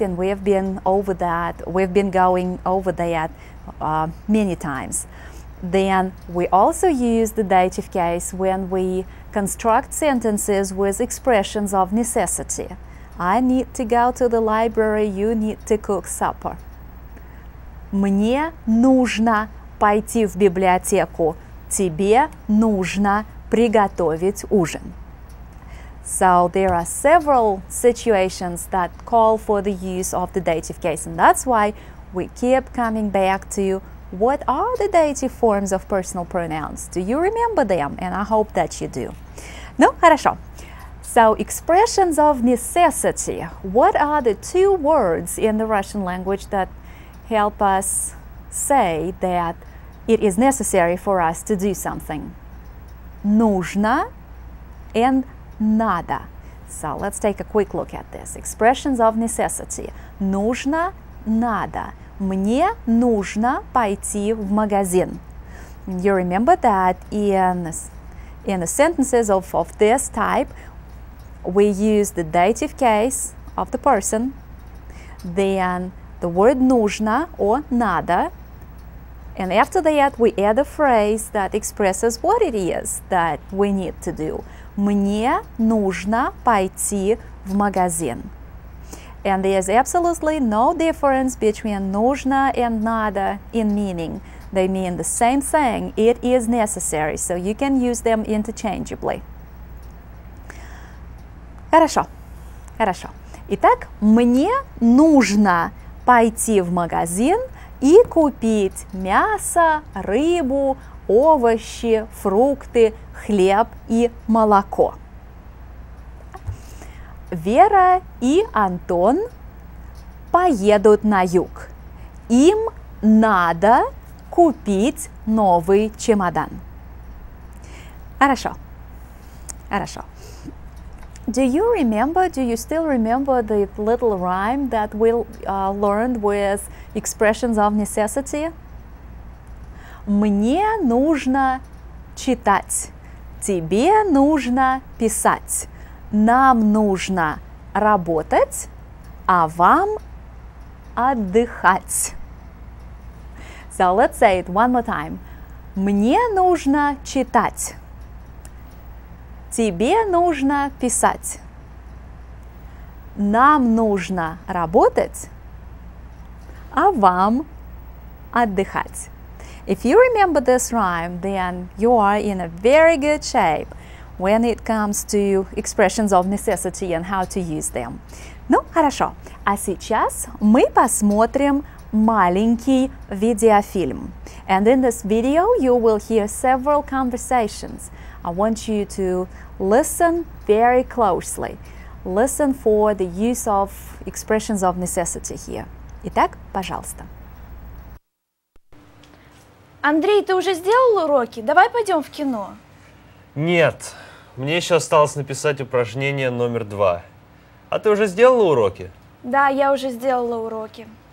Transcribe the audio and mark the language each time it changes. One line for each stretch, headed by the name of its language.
English: And we've been going over that many times. Then we also use the dative case when we construct sentences with expressions of necessity. I need to go to the library, you need to cook supper.
Russian: Мне нужно пойти в библиотеку, тебе нужно приготовить ужин.
English: So there are several situations that call for the use of the dative case, and that's why we keep coming back to what are the dative forms of personal pronouns. Do you remember them? And I hope that you do.
Russian: Ну, хорошо.
English: So, expressions of necessity. What are the two words in the Russian language that help us say that it is necessary for us to do something?
Russian: Нужно and надо.
English: So, let's take a quick look at this. Expressions of necessity.
Russian: Нужно, надо. Мне нужно пойти в магазин.
English: You remember that in the sentences of this type, we use the dative case of the person, then the word нужно or надо, and after that we add a phrase that expresses what it is that we need to do.
Russian: Мне нужно пойти в магазин.
English: And there's absolutely no difference between нужно and надо in meaning. They mean the same thing. It is necessary, so you can use them interchangeably.
Russian: Хорошо, хорошо. Итак, мне нужно пойти в магазин и купить мясо, рыбу, овощи, фрукты, хлеб и молоко. Вера и Антон поедут на юг. Им надо купить новый чемодан. Хорошо, хорошо.
English: Do you remember, do you still remember the little rhyme that we learned with expressions of necessity?
Russian: Мне нужно читать, тебе нужно писать, нам нужно работать, а вам отдыхать.
English: So let's say it one more time.
Russian: Мне нужно читать. Тебе нужно писать. Нам нужно работать, а вам отдыхать.
English: If you remember this rhyme, then you are in a very good shape when it comes to expressions of necessity and how to use them.
Russian: Ну, хорошо. А сейчас мы посмотрим маленький видеофильм.
English: And in this video, you will hear several conversations. I want you to listen very closely. Listen for the use of expressions of necessity here.
Russian: Итак, пожалуйста. Андрей, ты уже сделал уроки? Давай пойдем в кино. Нет, мне еще осталось написать упражнение номер 2. А ты уже сделала уроки? Да, я уже сделала уроки.